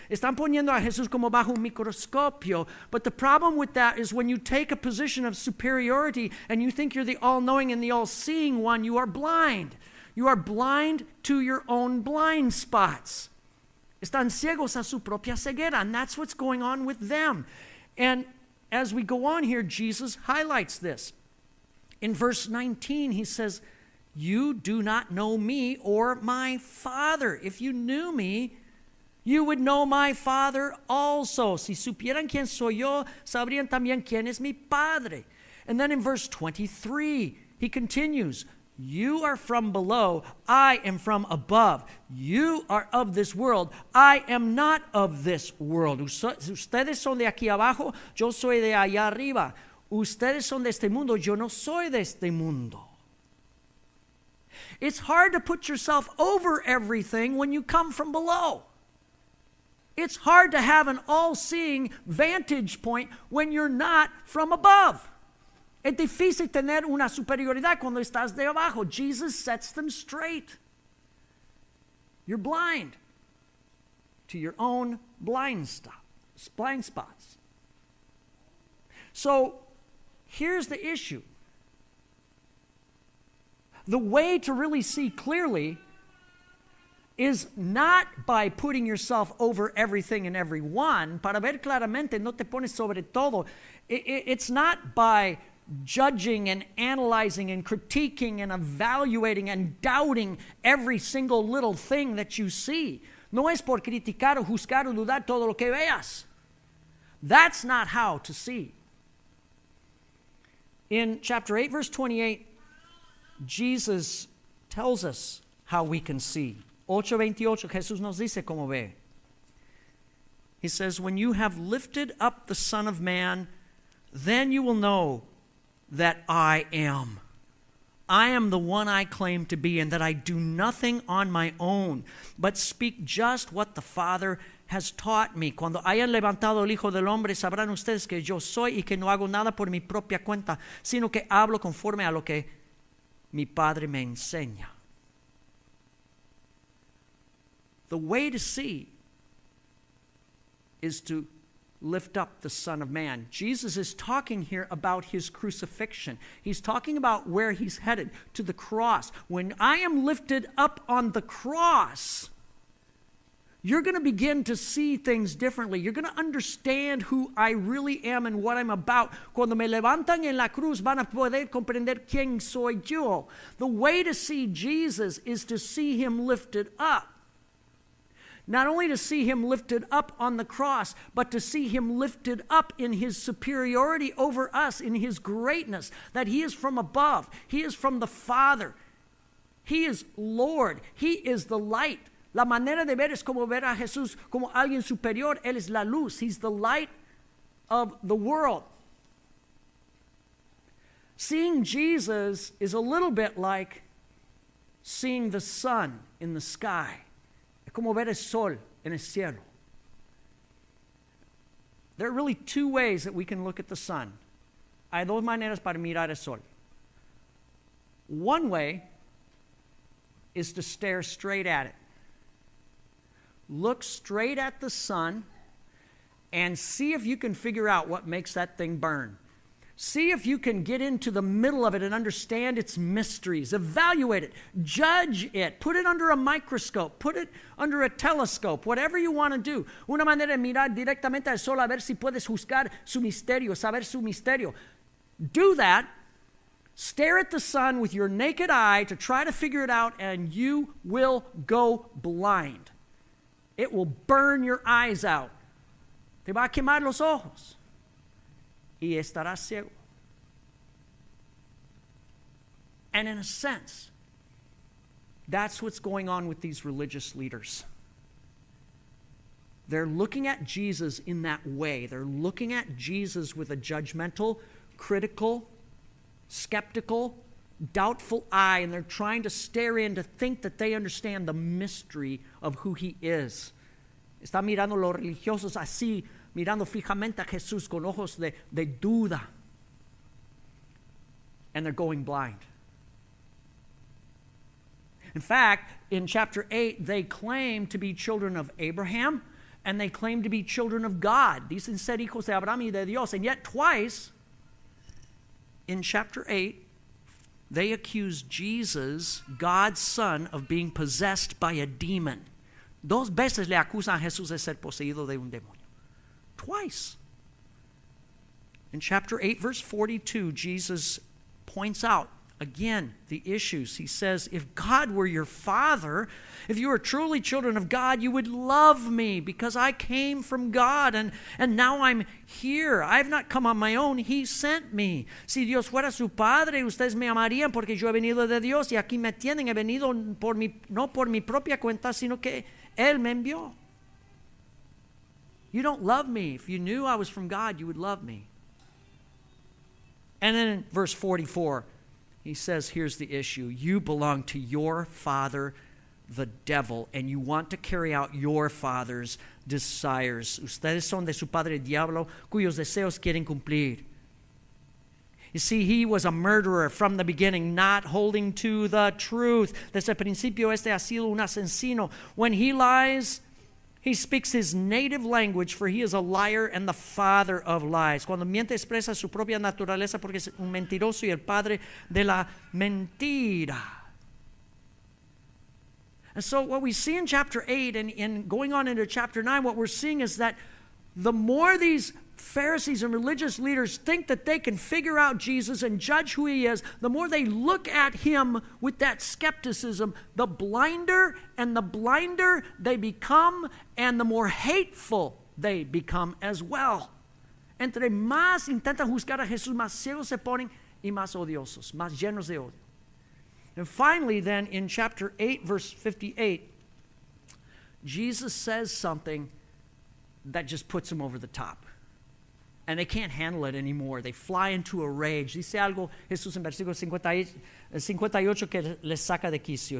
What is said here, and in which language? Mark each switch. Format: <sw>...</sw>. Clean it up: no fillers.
<es>Están poniendo a Jesús como bajo un microscopio.</es> <en>But the problem with that is when you take a position of superiority and you think you're the all-knowing and the all-seeing one, you are blind. You are blind to your own blind spots.</en> <es>Están ciegos a su propia ceguera.</es> <en>And that's what's going on with them. And as we go on here, Jesus highlights this. In verse 19, he says, you do not know me or my Father. If you knew me, you would know my Father also.</en> <es>Si supieran quién soy yo, sabrían también quién es mi Padre.</es> <en>And then in verse 23, he continues, you are from below, I am from above. You are of this world, I am not of this world.</en> <es>Ustedes son de aquí abajo, yo soy de allá arriba. Ustedes son de este mundo, yo no soy de este mundo.</es> <en>It's hard to put yourself over everything when you come from below. It's hard to have an all-seeing vantage point when you're not from above.</en> <es>Es difícil tener una superioridad cuando estás de abajo.</es> <en>Jesus sets them straight. You're blind to your own blind spots. So here's the issue. The way to really see clearly is not by putting yourself over everything and everyone.</en> <es>Para ver claramente, no te pones sobre todo.</es> <en>It's not by judging and analyzing and critiquing and evaluating and doubting every single little thing that you see.</en> <es>No es por criticar o juzgar o dudar todo lo que veas.</es> <en>That's not how to see. In chapter 8, verse 28, Jesus tells us how we can see. 8:28,</en> <es>Jesús nos dice cómo ve.</es> <en>He says, when you have lifted up the Son of Man, then you will know that I am. I am the one I claim to be, and that I do nothing on my own, but speak just what the Father has taught me.</en> <es>Cuando hayan levantado el Hijo del Hombre, sabrán ustedes que yo soy y que no hago nada por mi propia cuenta, sino que hablo conforme a lo que mi Padre me enseña.</es> <en>The way to see is to lift up the Son of Man. Jesus is talking here about his crucifixion. He's talking about where he's headed, to the cross. When I am lifted up on the cross, you're going to begin to see things differently. You're going to understand who I really am and what I'm about.</en> <es>Cuando me levantan en la cruz, van a poder comprender quién soy yo.</es> <en>The way to see Jesus is to see him lifted up. not only to see him lifted up on the cross, but to see him lifted up in his superiority over us, in his greatness, that he is from above. He is from the Father. He is Lord. He is the light.</en> <es>La manera de ver es como ver a Jesús como alguien superior. Él es la luz.</es> <en>He's the light of the world. Seeing Jesus is a little bit like seeing the sun in the sky.</en> <es>Es como ver el sol en el cielo.</es> <en>There are really two ways that we can look at the sun.</en> <es>Hay dos maneras para mirar el sol.</es> <en>One way is to stare straight at it. Look straight at the sun and see if you can figure out what makes that thing burn. See if you can get into the middle of it and understand its mysteries. Evaluate it. Judge it. Put it under a microscope. Put it under a telescope. Whatever you want to do.</en> <es>Una manera de mirar directamente al sol a ver si puedes juzgar su misterio, saber su misterio.</es> <en>Do that. Stare at the sun with your naked eye to try to figure it out, and you will go blind. It will burn your eyes out.</en> <es>Te va a quemar los ojos. Y estarás ciego.</es> <en>And in a sense, that's what's going on with these religious leaders. They're looking at Jesus in that way. They're looking at Jesus with a judgmental, critical, skeptical, doubtful eye, and they're trying to stare in to think that they understand the mystery of who he is.</en> <es>Está mirando los religiosos así, mirando fijamente a Jesús con ojos de duda.</es> <en>And they're going blind. In fact, in chapter 8, they claim to be children of Abraham, and they claim to be children of God.</en> <es>Dicen ser hijos de Abraham y de Dios.</es> <en>And yet twice, in chapter 8, they accuse Jesus, God's son, of being possessed by a demon.</en> <es>Dos veces le acusan a Jesús de ser poseído de un demonio.</es> <en>Twice. In chapter 8, verse 42, Jesus points out again the issues. He says, if God were your father, if you were truly children of God, you would love me because I came from God and now I'm here. I have not come on my own. He sent me.</en> <es>Si Dios fuera su padre, ustedes me amarían porque yo he venido de Dios y aquí me tienen. He venido no por mi propia cuenta, sino que Él me envió.</es> <en>You don't love me. If you knew I was from God, you would love me. And then in verse 44, he says, here's the issue. You belong to your father, the devil, and you want to carry out your father's desires.</en> <es>Ustedes son de su padre, el diablo, cuyos deseos quieren cumplir.</es> <en>You see, he was a murderer from the beginning, not holding to the truth.</en> <es>Desde el principio, este ha sido un asesino.</es> <en>When he lies, he speaks his native language, for he is a liar and the father of lies.</en> <es>Cuando miente, expresa su propia naturaleza porque es un mentiroso y el padre de la mentira.</es> <en>And so what we see in chapter 8 and in going on into chapter 9, what we're seeing is that the more these Pharisees and religious leaders think that they can figure out Jesus and judge who he is, the more they look at him with that skepticism, the blinder and the blinder they become, and the more hateful they become as well.</en> <es>Entre más intentan juzgar a Jesús, más ciegos se ponen y más odiosos, más llenos de odio.</es> <en>And finally, then, in chapter 8, verse 58, Jesus says something that just puts him over the top. And they can't handle it anymore. They fly into a rage.</en> <es>Dice algo Jesús en versículo 58 que les saca de quicio.</es>